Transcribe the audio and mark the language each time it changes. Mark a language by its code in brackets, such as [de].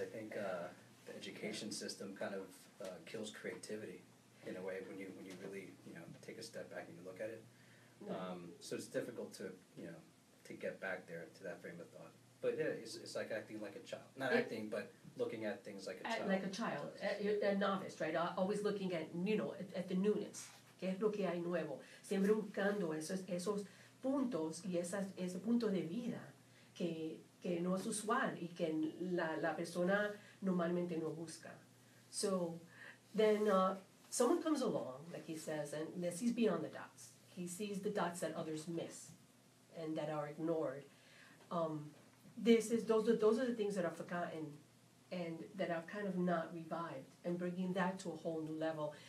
[en] I think the education system kind of kills creativity in a way when you really, you know, take a step back and you look at it. So it's difficult to, you know, to get back there to that frame of thought. But yeah, it's like acting like a child. But looking at things like a child. Like a child, a novice, right? Always looking at, you know, at the newness. [es] ¿Qué es lo que hay nuevo? Siempre buscando esos puntos y ese punto de vida que no es usual y que la persona normalmente no busca. [en] So then someone comes along, like he says, and he sees beyond the dots. He sees the dots that others miss and that are ignored. Those are the things that are forgotten and that are kind of not revived, and bringing that to a whole new level.